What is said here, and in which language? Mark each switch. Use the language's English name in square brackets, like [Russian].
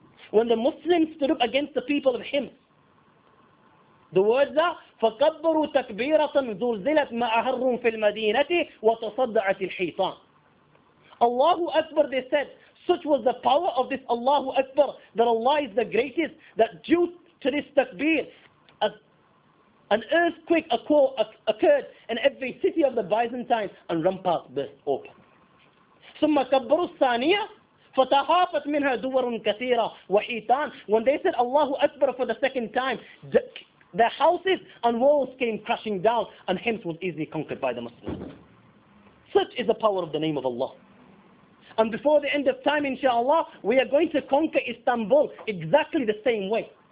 [English] When the Muslims stood up against the people of Hims, the words are [Arabic] فَكَبَّرُوا تَكْبِيرَةً زُلْزِلَتْ مَأَهَرٌ فِي الْمَدِينَةِ وَتَصَدَّعَتِ الْحِيطَانِ [English] Allahu Akbar, they said, such was the power of this Allahu Akbar, that Allah is the greatest, that due to this takbir, an earthquake occurred in every city of the Byzantine and ramparts burst open. [Arabic] ثم كبروا الثانية فتهافت منها دور كثيرة وحيطان. [English] When they said Allahu Akbar for the second time, the houses and walls came crashing down and Hims was easily conquered by the Muslims. Such is the power of the name of Allah. And before the end of time, inshallah, we are going to conquer Istanbul exactly the same way.